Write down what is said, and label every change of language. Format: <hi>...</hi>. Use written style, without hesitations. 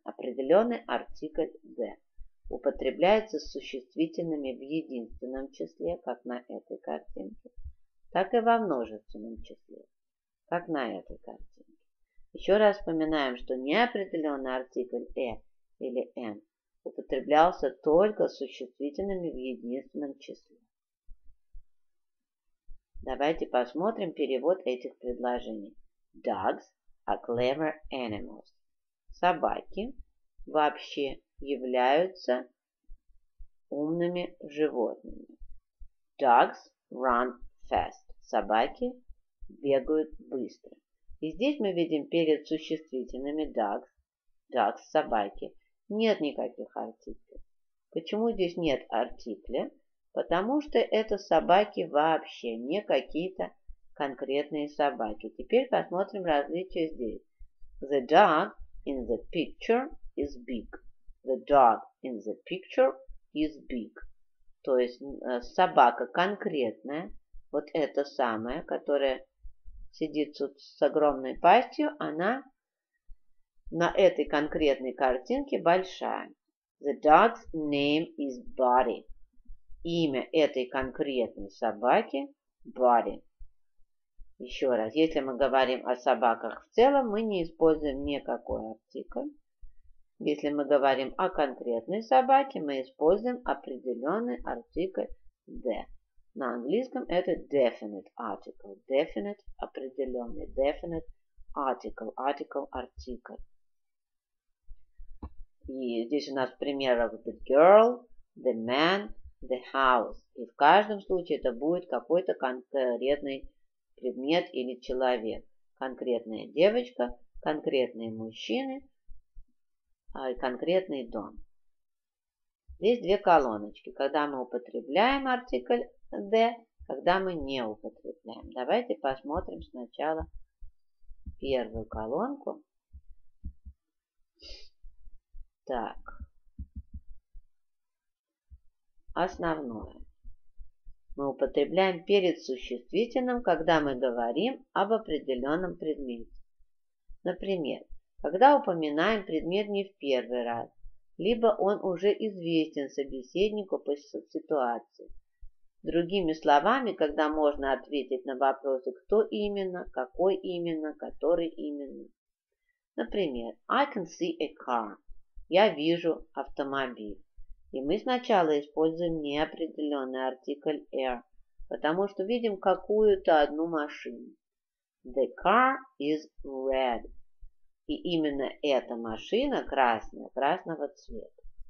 <ru>Определенный артикль «the» употребляется с существительными в единственном числе, как на этой картинке, так и во множественном числе, как на этой картинке. Еще раз вспоминаем, что неопределенный артикль «e» или «n» употреблялся только с существительными в единственном числе. Давайте посмотрим перевод этих предложений.</ru> <en>Dogs are clever animals.</en> <ru>Собаки вообще являются умными животными.</ru> <en>Dogs run fast.</en> <ru>Собаки бегают быстро. И здесь мы видим перед существительными dogs. Dogs – собаки. Нет никаких артиклей. Почему здесь нет артикля? Потому что это собаки вообще, не какие-то конкретные собаки. Теперь посмотрим различия здесь.</ru> <en>The dog in the picture is big. The dog in the picture is big.</en> <ru>То есть собака конкретная, вот эта самая, которая сидит тут с огромной пастью, она на этой конкретной картинке большая.</ru> <en>The dog's name is Buddy.</en> <ru>Имя этой конкретной собаки – Buddy. Еще раз, если мы говорим о собаках в целом, мы не используем никакой артикль. Если мы говорим о конкретной собаке, мы используем определенный артикль «the». На английском это definite article. Definite – определенный. Definite article. Article – артикль. И здесь у нас примеров «the girl», «the man», the house. И в каждом случае это будет какой-то конкретный предмет или человек. Конкретная девочка, конкретные мужчины, конкретный дом. Здесь две колоночки. Когда мы употребляем артикль the, когда мы не употребляем. Давайте посмотрим сначала первую колонку. Так. Основное. Мы употребляем перед существительным, когда мы говорим об определенном предмете. Например, когда упоминаем предмет не в первый раз, либо он уже известен собеседнику по ситуации. Другими словами, когда можно ответить на вопросы «кто именно?», «какой именно?», «который именно?». Например,</ru> <en>«I can see a car».</en> <ru>«Я вижу автомобиль». И мы сначала используем неопределенный артикль «er», потому что видим какую-то одну машину.</ru> <en>The car is red.</en> <ru>И именно эта машина красная, красного цвета.</ru>